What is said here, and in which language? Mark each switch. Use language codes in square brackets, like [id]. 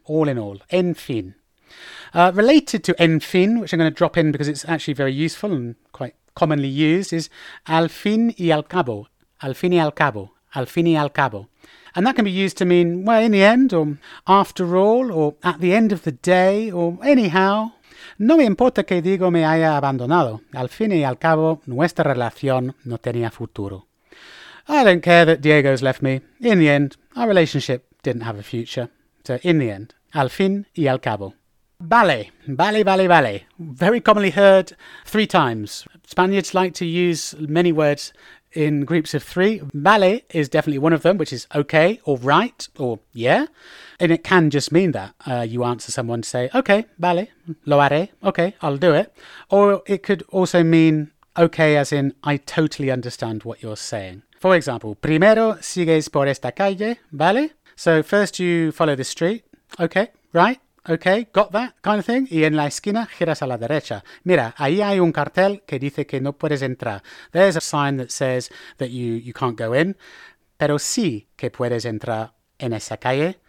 [en] All in all, en fin. Related to en fin, which I'm going to drop in because it's actually very useful and quite commonly used, is al fin y al cabo, al fin y al cabo, al fin y al cabo. And that can be used to mean, well, in the end, or after all, or at the end of the day, or anyhow. [es] No me importa que Diego me haya abandonado. Al fin y al cabo, nuestra relación no tenía futuro. [en] I don't care that Diego's left me. In the end, our relationship didn't have a future. So in the end, al fin y al cabo. Vale. Very commonly heard three times. Spaniards like to use many words in groups of three. Vale is definitely one of them, which is okay or right or yeah. And it can just mean that you answer someone to say, okay, [es] vale, lo haré, [en] okay, I'll do it. Or it could also mean okay as in I totally understand what you're saying. For example, [es] primero sigues por esta calle, vale? [en] So first you follow the street, okay, right? Okay, got that kind of thing. [es] Y en la esquina, giras a la derecha. Mira, ahí hay un cartel que dice que no puedes entrar. [en] There's a sign that says that you can't go in. [es] Pero sí que puedes entrar en esa calle.